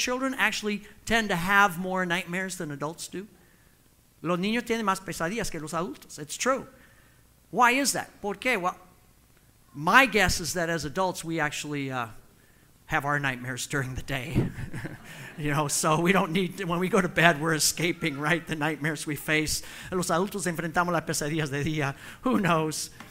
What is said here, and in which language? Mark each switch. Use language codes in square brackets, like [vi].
[en] Children actually tend to have more nightmares than adults do. [es] Los niños tienen más pesadillas que los adultos. [en] It's true. Why is that? [es] ¿Por qué? [en] Well, my guess is that as adults, we actually have our nightmares during the day. You know, so we don't need to, when we go to bed, we're escaping, right? The nightmares we face. [es] Los adultos enfrentamos las pesadillas de día. [en] Who knows?